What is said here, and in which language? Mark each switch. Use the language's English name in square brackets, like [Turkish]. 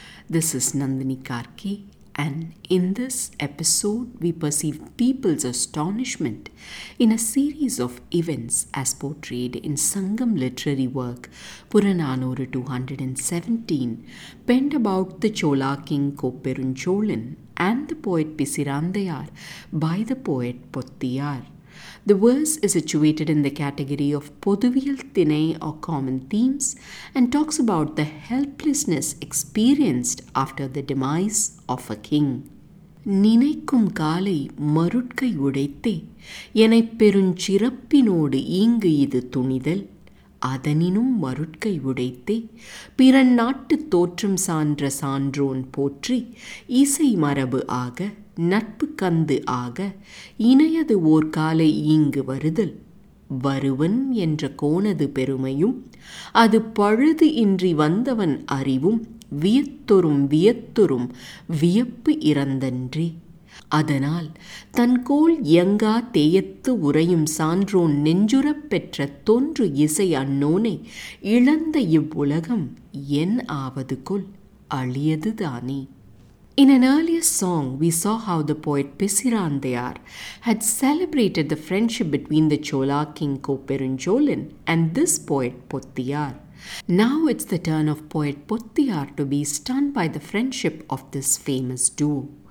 [English] This is Nandini Karki, and in this episode we perceive people's astonishment in a series of events as portrayed in Sangam literary work Puranaanooru 217, penned about the Chola king Koperunchozhan and the poet Pisiraanthaiyaar by the poet Poththiyaar. The verse is situated in the category of Pothuviyal Thinai or common themes and talks about the helplessness experienced after the demise of a king. [Tamil] Ninaikkum kaalai marutkai udaitte enai perunchirappinodu eengu idu thunidal adaninum marutkai udaitte piran naattu thotram saandra saandron potri isai marabu aaga நட்பு கந்து ஆக இணையது ஓர்கால இங்கு வருதல் வருவன் என்ற கோணது பெருமையும் அது பழுது இன்றி வந்தவன் அறிவும் வியத்தொரும் வியத்தொரும் வியப்பு இறந்தன்றே அதனால் தன்கோல் எங்கா தேயத்து உறையும் சான்றோன் நெஞ்சுரப்பெற்ற தோன்று இசை அன்னோனை இழந்த இவ்வுலகம் என் ஆவது கொள் அழியதுதானே. [English] In an earlier song, we saw how the poet Pisiraanthaiyaar had celebrated the friendship between the Chola king Koperunchozhan and this poet Poththiyaar. Now it's the turn of poet Poththiyaar to be stunned by the friendship of this famous duo.